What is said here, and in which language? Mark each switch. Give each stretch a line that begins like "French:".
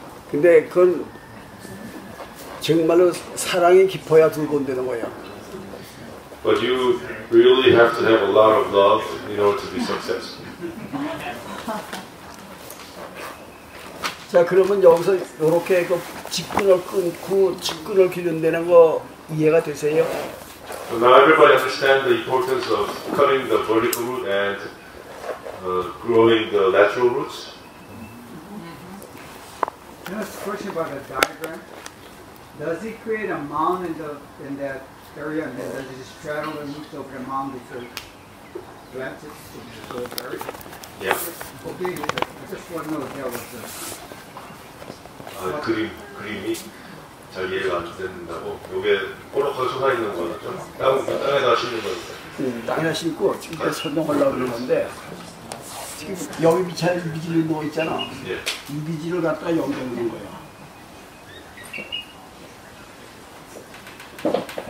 Korean: 근데 그건 정말로 사랑이 깊어야
English: But you really have to have a lot of love in order to be successful.
Korean: 자 그러면 여기서 이렇게 그 직근을 끊고 직근을 기른다는 거 이해가 되세요?
English: So now everybody understands the importance of cutting the vertical root and growing the lateral roots. Can I ask a question about the diagram? Does it create a mound in that area and does it just straddle the roots over the mound because plants it so it's buried? Yeah. Okay, I just want to know if that was the
Korean: 그림이 잘 이해가 안 된다고. 요게 꼬르륵 서 있는 거였죠? 땅에다 심는 거였죠? 땅에다 심고 지금 다 설명하려고 그러는데 지금 여기 밑에 유비지를 놓고 있잖아. 예. 유비지를 갖다가 여기 놓는 거야.